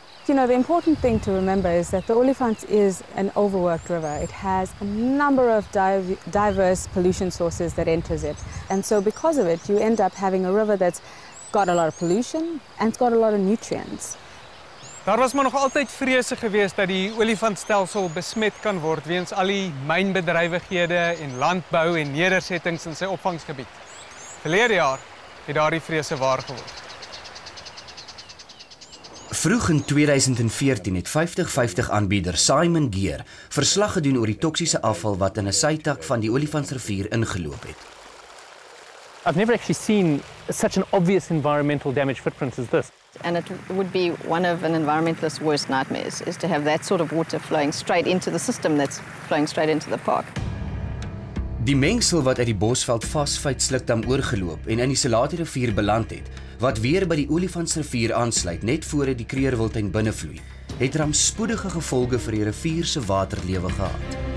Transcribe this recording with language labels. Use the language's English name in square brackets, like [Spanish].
[English] You know, the important thing to remember is that the Olifants is an overworked river. It has a number of diverse pollution sources that enters it. And so because of it, you end up having a river that's got a lot of pollution and it's got a lot of nutrients. [Afrikaans] Daar was maar nog altyd vrese geweest dat die olifantstelsel besmet kan word weens al die mynbedrywighede en landbou en nedersettings in sy opvangsgebied. Verlede jaar het daardie vrese waar geword. Vroeg in 2014 het 50/50 aanbieder Simon Geer verslag gedoen oor die toksiese afval wat in 'n sytak van die Olifantsrivier ingeloop het. [English] I've never actually seen such an obvious environmental damage footprint as this. And it would be one of an environmentalist's worst nightmares is to have that sort of water flowing straight into the system that's flowing straight into the park. [Afrikaans] Die mengsel wat uit die bosveld Phosphate slukdam oorgeloop en in die Salati-rivier beland het, wat weer by die Olifantsrivier aansluit net voor dit die Kruger-wildtuin binnevloei, het rampspoedige gevolge vir die rivier se waterlewe gehad.